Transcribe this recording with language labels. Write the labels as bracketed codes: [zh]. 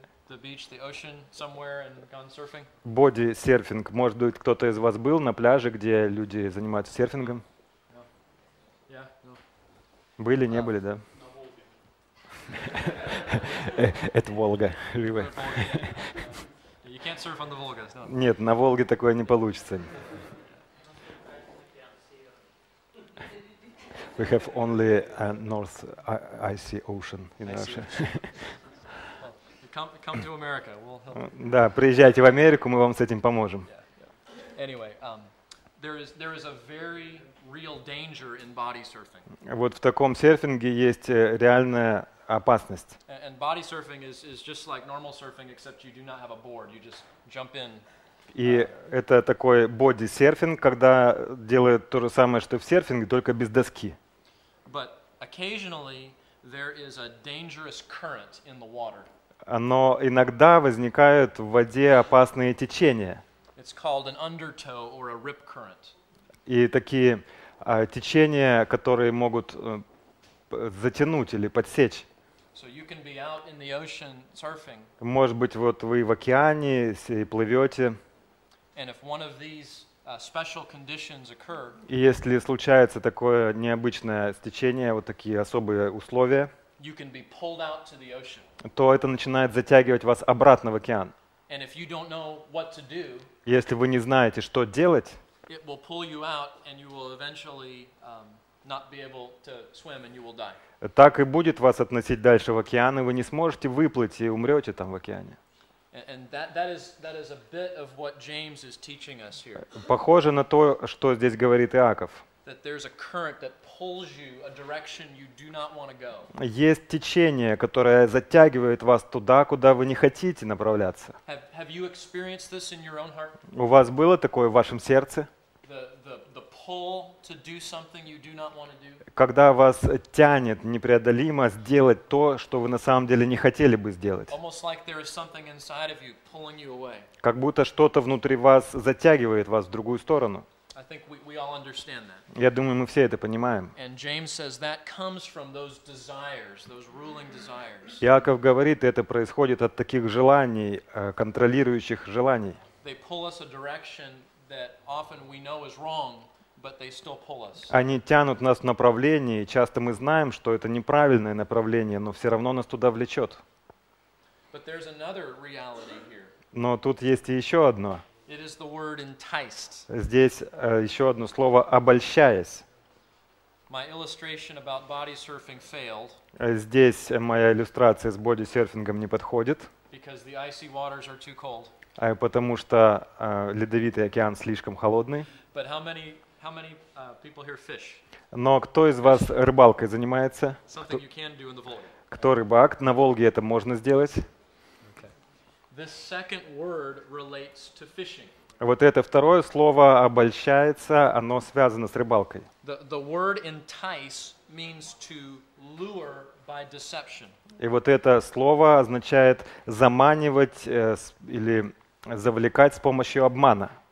[en] The beach, the ocean, somewhere and gone surfing? [ru] Боди-серфинг. Может быть, кто-то из вас был на пляже, где люди занимаются серфингом? [en] No. [ru] Были, не были, да? Это Волга. [en] You can't surf on the Volga. [ru] Нет, на Волге такое не получится. [en] We have only a North Icy Ocean in Russia. Come to America. We'll help you. [ru] Да, приезжайте в Америку, мы вам с этим поможем. [en] Anyway, there is a very real danger in body surfing. [ru] Вот в таком серфинге есть реальная опасность. [en] And body surfing is just like normal surfing, except you do not have a board. You just jump in. [ru] И это такой боди-серфинг, когда делают то же самое, что в серфинге, только без доски. [en] But occasionally there is a dangerous current in the water. [ru] Но иногда возникают в воде опасные течения. [en] It's called an undertow or a rip current. [ru] И такие течения, которые могут затянуть или подсечь. [en] So you can be out in the ocean surfing. [ru] Может быть, вот вы в океане и плывете. [en] And if one of these special conditions occur, [ru] и если случается такое необычное течение, вот такие особые условия, [en] you can be pulled out to the ocean. [ru] То это начинает затягивать вас обратно в океан. [en] And if you don't know what to do, [ru] если вы не знаете, что делать, [en] it will pull you out and you will eventually not be able to swim and you will die. [ru] Так и будет вас относить дальше в океан, и вы не сможете выплыть и умрете там в океане. [en] And that is a bit of what James is teaching us here. [ru] Похоже на то, что здесь говорит Иаков. [en] That there's a current that pulls you a direction you do not want to go. [ru] Есть течение, которое затягивает вас туда, куда вы не хотите направляться. [en] Have you experienced this in your own heart? [ru] У вас было такое в вашем сердце? [en] The pull to do something you do not want to do. [ru] Когда вас тянет непреодолимо сделать то, что вы на самом деле не хотели бы сделать. [en] Almost like there is something inside of you pulling you away. [ru] Как будто что-то внутри вас затягивает вас в другую сторону. [en] I think we all understand that. [ru] Я думаю, мы все это понимаем. [en] And James says that comes from those desires, those ruling desires. [ru] Иаков говорит, это происходит от таких желаний, контролирующих желаний. [en] They pull us a direction that often we know is wrong, but they still pull us. [ru] Они тянут нас в направлении, часто мы знаем, что это неправильное направление, но все равно нас туда влечет. [en] But there's another reality here. [ru] Но тут есть еще одно. [en] It is the word enticed. [ru] Здесь еще одно слово «обольщаясь». [en] My illustration about body surfing failed. [ru] Здесь моя иллюстрация с боди-серфингом не подходит. [en] Because the icy waters are too cold. [ru] Потому что ледовитый океан слишком холодный. [en] But how many people here fish? [ru] Но кто из вас рыбалкой занимается? [en] Something you can do in the Volga. [ru] Кто рыбак? На Волге это можно сделать. [en] This second word relates to fishing. [ru] Вот это второе слово обольщается, оно связано с рыбалкой. [en] The word entice means to lure by deception. [ru] И вот это слово означает заманивать или завлекать с помощью обмана.